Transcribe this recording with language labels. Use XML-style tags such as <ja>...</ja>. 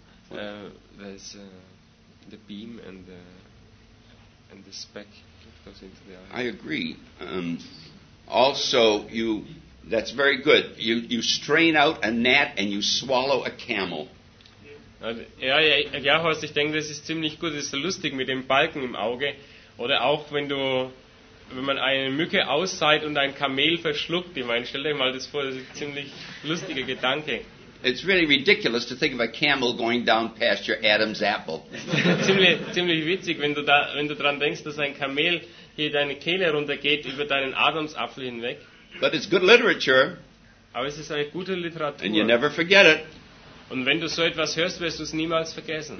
<en>There's the beam and the speck goes into the eye. I agree. Also, that's very good. You strain out a gnat and you swallow a camel.</en> <de>Ja, Horst, ich denke, das ist ziemlich gut. Das ist lustig mit dem Balken im Auge. Oder auch, wenn man eine Mücke ausseit und ein Kamel verschluckt. Ich meine, stell dir mal das vor, das ist ein ziemlich lustiger Gedanke.</de> <en>It's really ridiculous to think of a camel going down past your Adam's apple.</en> <de>Ziemlich witzig, wenn du dran denkst, dass ein Kamel hier deine Kehle runtergeht über deinen Adamsapfel hinweg.</de> <en>But it's good literature.</en> <de>Aber es ist eine gute Literatur.</de> <en>And you never forget it.</en> <de>Und wenn du so etwas hörst, wirst du es niemals vergessen.</de>